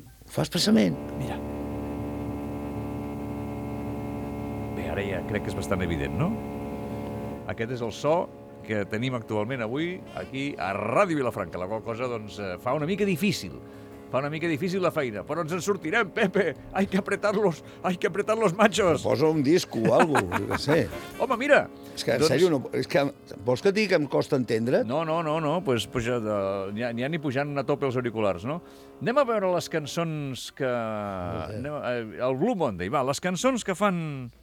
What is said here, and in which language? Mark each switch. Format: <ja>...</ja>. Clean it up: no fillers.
<ca>Fas passament. Mira. Bé, ara ja crec que és bastant evident, no? Aquest és el so que tenim actualment avui aquí a Ràdio Vilafranca, la qual cosa doncs, fa una mica difícil. Fa una mica difícil la feina, però ens en sortirem, Pepe.</ca> <es>Hay que apretar los machos.</es> <ca>Posa un disco</ca> <es>o algo,</es> <ca>jo què sé. Home, mira. És que, doncs... en sèrio, no, és que, vols que et digui que em costa entendre? No. Pues, puja, n'hi ha ni pujant a tope els auriculars, no? Anem a veure les cançons que... El Blue Monday, va. Les cançons que fan...</ca>